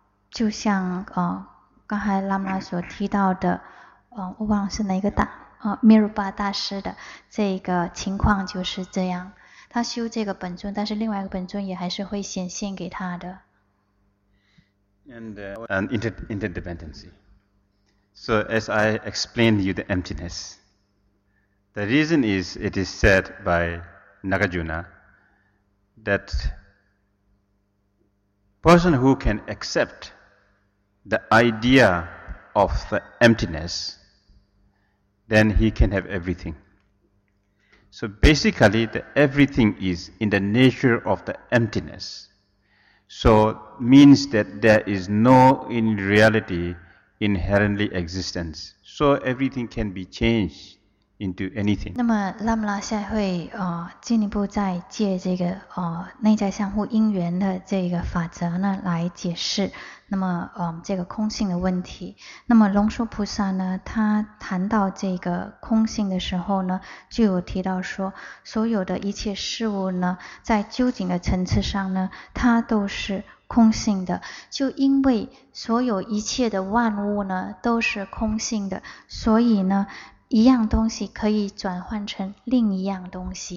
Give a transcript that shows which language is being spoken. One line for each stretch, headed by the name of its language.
Chinese: 就像刚才喇嘛所提到的，我忘了是哪个大密鲁巴大师的这个情况就是这样。他修这个本尊，但是另外一个本尊也还是会显现给他的。
English: And interdependency. So as I explained to you the emptiness, the reason is it is said by Nagarjuna that person who can accept the idea of the emptiness, then he can have everything. So basically the everything is in the nature of the emptiness. So means that there is no in reality inherently existence. So everything can be changed into anything.
Chinese: 那么拉姆拉塞会进一步再借这个内在相互因缘的这个法则呢来解释那么这个空性的问题。那么龙树菩萨呢他谈到这个空性的时候呢就有提到说所有的一切事物呢在究竟的层次上呢它都是空性的，就因为所有一切的万物呢都是空性的，所以呢一样东西可以转换成另一样东西。